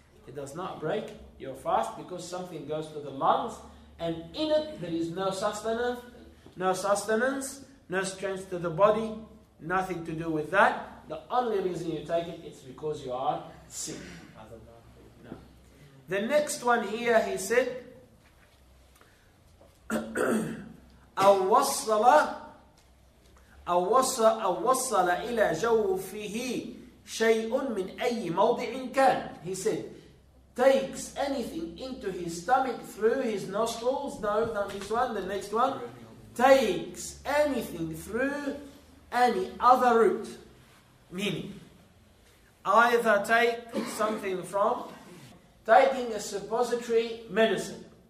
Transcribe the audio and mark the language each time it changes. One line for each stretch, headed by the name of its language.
English: It does not break your fast because something goes to the lungs and in it there is no sustenance, no sustenance, no strength to the body, nothing to do with that. The only reason you take it is because you are sick. No. The next one here, he said,
Arabic: أَوَّصَّلَ إِلَى جَوْفِهِ شَيْءٌ مِنْ أَيِّ مَوْضِعٍ كَانَ.
English: He said, takes anything into his stomach through his nostrils. No, not this one, the next one. Takes anything through any other route. Meaning, either take something from taking a suppository medicine.